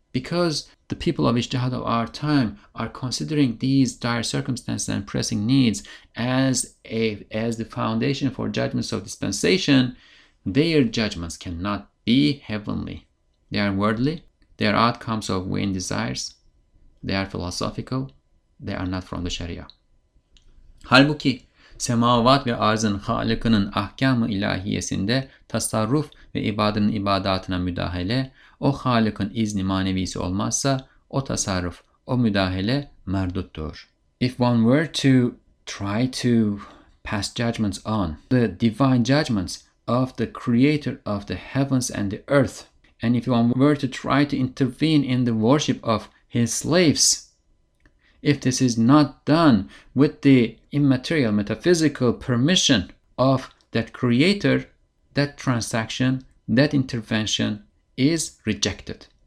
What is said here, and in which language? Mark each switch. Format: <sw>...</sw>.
<en>Because the people of ijtihad of our time are considering these dire circumstances and pressing needs as the foundation for judgments of dispensation, their judgments cannot be heavenly. They are worldly. They are outcomes of vain desires. They are philosophical. They are not from the Sharia.</en> <tr>Halbuki semavat ve arzın halıkının ahkam-ı ilahiyesinde tasarruf ve ibadının ibadatına müdahale, o halıkın izni manevisi olmazsa o tasarruf, o müdahale merduttur.</tr> <en>If one were to try to pass judgments on the divine judgments of the creator of the heavens and the earth, and if one were to try to intervene in the worship of his slaves, if this is not done with the immaterial metaphysical permission of that creator, that transaction, that intervention is rejected.</en>